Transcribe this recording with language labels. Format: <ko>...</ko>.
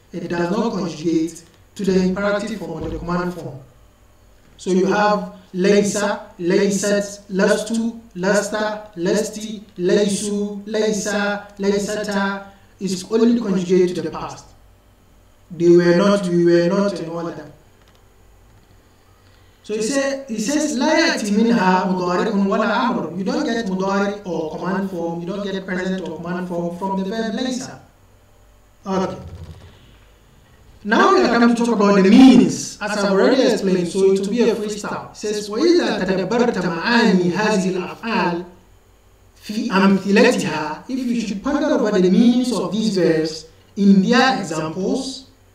<en>It does not conjugate to the imperative form or the command form. So you have laysa, laysat, lastu, lasta, lasti, laysu, laysa, laysata. It is only conjugated to the past. They were not, we were not, and all that. So he says,</en> <ar>لا يأتي منها مضارع ولا أمر.</ar> <en>You don't get مضارع or command form. You don't get present or command form from the verb ليس. Okay. Now we are coming to talk about the meanings. As I've already explained, so it will be a freestyle. He says,</en> <ar>وَإِذَا تَدَبَّرْتَ مَعَانِي هَذِهِ الْأَفْعَالِ فِي أَمْثِلَتِهَا</ar> <en>If you should ponder over the meanings of these verbs in their examples,</en>